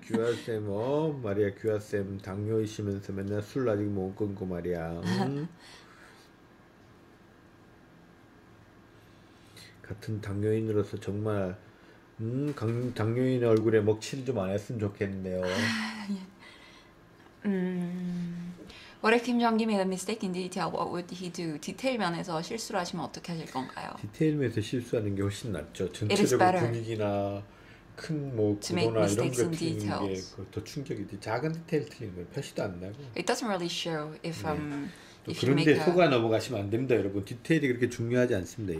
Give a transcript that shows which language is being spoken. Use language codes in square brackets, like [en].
[ko] 규하쌤 어 말이야 규하쌤 당뇨이시면서 맨날 술 아직 못 끊고 말이야. 응? 같은 당뇨인으로서 정말 당뇨인 얼굴에 먹칠 좀 안 했으면 좋겠네요. 예. [en] What if Kim Jong-gi made a mistake in detail? What would he do? [ko] 디테일 면에서 실수를 하시면 어떻게 하실 건가요? 디테일 면에서 실수하는 게 훨씬 낫죠. 전체적으로 분위기나 큰 뭐 구도나 이런 게 틀리는 게 더 충격이지. 작은 디테일 틀리는 거예요. 표시도 안 나고. [en] It doesn't really show if I'm... [ko] 그런데 속아 넘어가시면 안 됩니다, 여러분. 디테일이 그렇게 중요하지 않습니다.